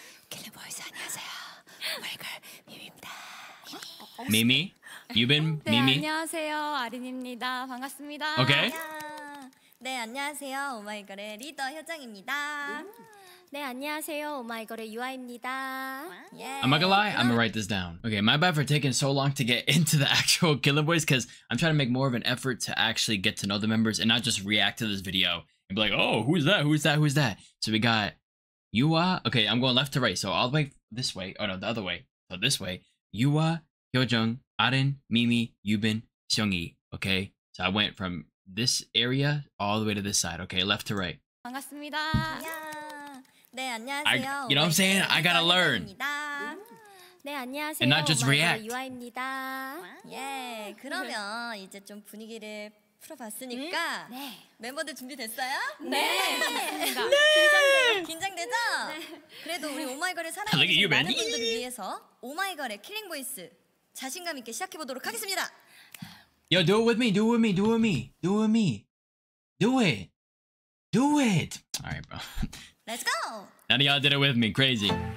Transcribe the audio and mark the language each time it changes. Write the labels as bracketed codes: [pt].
[ko] 킬링 보이스 안녕하세요. 오마이걸 미미입니다. 미미? 유빈, 네, 미미? 네, 안녕하세요. 아린입니다. 반갑습니다. 오케이. 네, 안녕하세요. 오마이걸의 리더 효정입니다. 네, 안녕하세요. 오마이걸의 유아입니다. [en] Yeah. I'm not gonna lie, I'm gonna write this down. Okay, my bad for taking so long to get into the actual Killing Voice, because I'm trying to make more of an effort to actually get to know the members and not just react to this video and be like, oh, who's that? So we got Yua. Okay, I'm going left to right. So all the way this way. Oh, no, the other way. So this way. Yua, Hyojung, Arin, Mimi, Yubin, Seunghee. Okay, So I went from this area all the way to this side. Okay, left to right. [ko] 반갑습니다. Yeah. 네, 안녕하세요. [en] You know what I'm saying? I gotta learn. [ko] 네, 안녕하세요. [en] And not just react. [ko] 유아입니다. 예, 그러면 이제 좀 분위기를 풀어봤으니까 네. 멤버들 준비됐어요? 네! 네! 긴장돼요? 긴장되죠? 네. 그래도 우리 오마이걸을 사랑해주신 많은 분들을 위해서 오마이걸의 킬링 보이스 자신감 있게 시작해보도록 하겠습니다. [en] Yo, do it with me, do it with me, do it with me, do it with me. Do it. Do it. Alright, bro. Let's go! None of y'all did it with me, crazy.